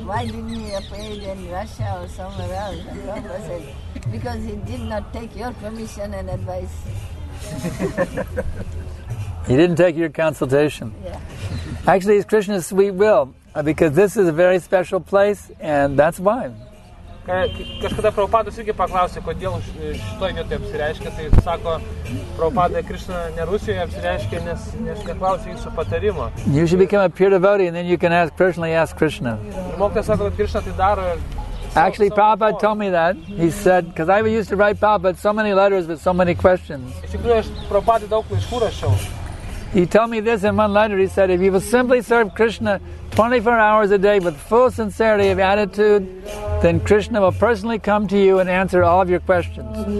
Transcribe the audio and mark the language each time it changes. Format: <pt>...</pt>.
<en>Why didn't he appear in Russia or somewhere else? And Prabhupada said, because he did not take your permission and advice. He didn't take your consultation. Yeah. Actually, it's Krishna's sweet will, because this is a very special place, and that's why.</en> <lt>Kažkada Prabhupada irgi paklausė, kodėl šitoje vietoje apsireiškia. Tai sako, Prabhupada Krishna ne Rusijoje apsireiškia, nes neklausė jūsų patarimo.</lt> <en>You should become a pure devotee and then you can ask Krishna.</en> <lt>Mokytas sako, kad Krishna tai daro.</lt> <en>Actually, Prabhupada told me that. He said, because I used to write Prabhupada so many letters with so many questions.</en> <lt>Iš tikrųjų, aš Prabhupada daug laiškų rašiau.</lt> <en>He told me this in one letter. He said, if you will simply serve Krishna 24 hours a day with full sincerity of attitude, then Krishna will personally come to you and answer all of your questions.</en>